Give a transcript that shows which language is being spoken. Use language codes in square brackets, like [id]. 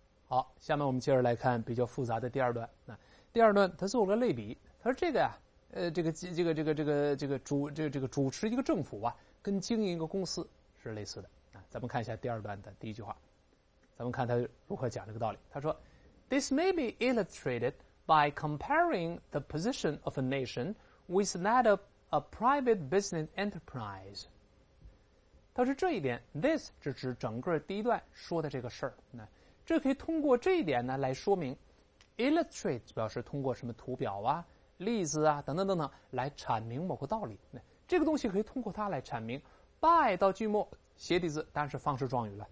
[zh] 好，下面我们接着来看比较复杂的第二段。那第二段他做了个类比，他说这个呀、这个主持一个政府啊，跟经营一个公司是类似的啊。咱们看一下第二段的第一句话，咱们看他如何讲这个道理。他说 [en] ，This may be illustrated by comparing the position of a nation with that of a private business enterprise。 [zh] 他说这一点 ，this 是指整个第一段说的这个事儿。那这可以通过这一点呢来说明 ，illustrate 表示通过什么图表啊、例子啊等等等等来阐明某个道理。那这个东西可以通过它来阐明 ，by 到句末斜底字，当然是方式状语了。